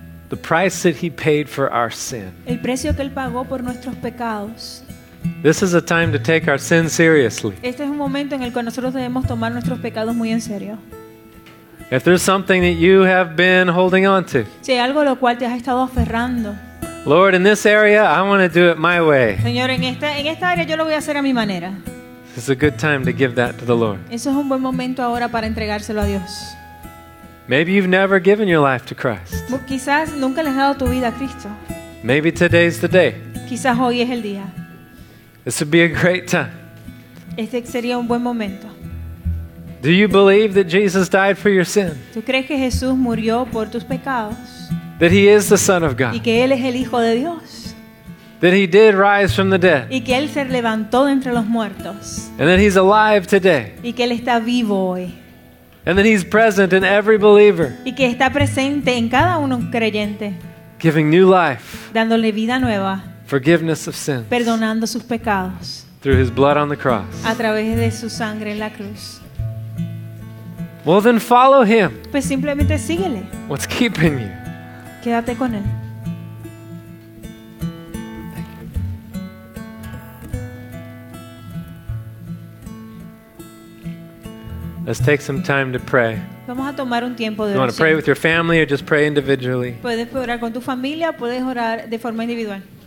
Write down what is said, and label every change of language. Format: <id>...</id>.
<en>The price that he paid for our sin.</en> <es>El precio que él pagó por nuestros pecados.</es> <en>This is a time to take our sin seriously.</en> <es>Este es un momento en el que nosotros debemos tomar nuestros pecados muy en serio.</es> <en>If there's something that you have been holding on to.</en> <es>Si hay algo a lo cual te has estado aferrando.</es> <en>Lord, in this area, I want to do it my way.</en> <es>Señor, en esta área yo lo voy a hacer a mi manera.</es> <en>This is a good time to give that to the Lord.</en> <es>Eso es un buen momento ahora para entregárselo a Dios.</es> <en>Maybe you've never given your life to Christ.</en> <es>Quizás nunca le has dado tu vida a Cristo.</es> <en>Maybe today's the day.</en> <es>Quizás hoy es el día.</es> <en>This would be a great time.</en> <es>Este sería un buen momento.</es> <en>Do you believe that Jesus died for your sin?</en> <es>¿Tú crees que Jesús murió por tus pecados?</es> <en>That he is the Son of God.</en> <es>Y que él es el Hijo de Dios.</es> <en>That he did rise from the dead.</en> <es>Y que él se levantó de entre los muertos.</es> <en>And that he's alive today.</en> <es>Y que él está vivo hoy.</es> <en>And that he's present in every believer.</en> <es>Y que está presente en cada uno creyente.</es> <en>Giving new life.</en> <es>Dándole vida nueva.</es> <en>forgiveness of sins,</en> <es>perdonando sus pecados,</es> <en>through his blood on the cross,</en> <es>a través de su sangre en la cruz.</es> <en>Well, then follow him.</en> <es>Pues simplemente síguele.</es> <en>What's keeping you?</en> <es>Quédate con él.</es> <en>Let's take some time to pray.</en> <es>Vamos a tomar un tiempo de oración.</es> <en>You want to pray with your family or just pray individually?</en> <es>Puedes orar con tu familia, puedes orar de forma individual.</es>